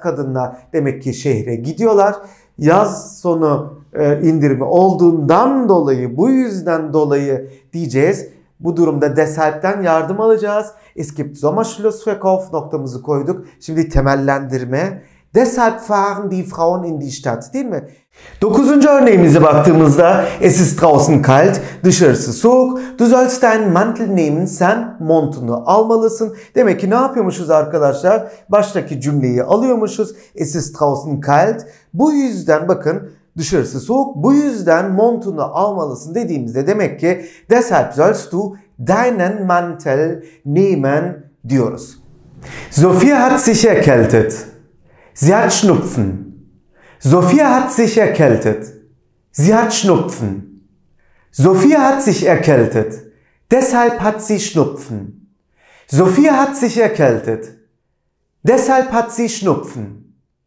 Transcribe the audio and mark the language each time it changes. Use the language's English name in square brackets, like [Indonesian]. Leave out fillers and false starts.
[Turkish] Kadınlar demek ki şehre gidiyorlar. Yaz sonu indirimi olduğundan dolayı, bu yüzden dolayı diyeceğiz. Bu durumda deshalb'den yardım alacağız. [German] Es gibt Sommerschlussverkauf [Turkish] noktamızı koyduk. Şimdi temellendirme. [German] Deshalb fahren die Frauen in die Stadt, [Turkish] değil mi? Dokuzuncu örneğimize baktığımızda [German] es ist draußen kalt, [Turkish] dışarısı soğuk. [German] Du sollst deinen Mantel nehmen, [Turkish] sen montunu almalısın. Demek ki ne yapıyormuşuz arkadaşlar? Baştaki cümleyi alıyormuşuz. [German] Es ist draußen kalt. [Turkish] Bu yüzden bakın dışarısı soğuk. Bu yüzden montunu almalısın dediğimizde demek ki [German] deshalb sollst du deinen Mantel nehmen [Turkish] diyoruz. [German] Sophia hat sich erkältet. Sie hat Schnupfen. Sophia hat sich erkältet. Sie hat Schnupfen. Sophia hat sich erkältet. Deshalb hat sie Schnupfen. Sophia hat sich erkältet. Deshalb hat sie Schnupfen.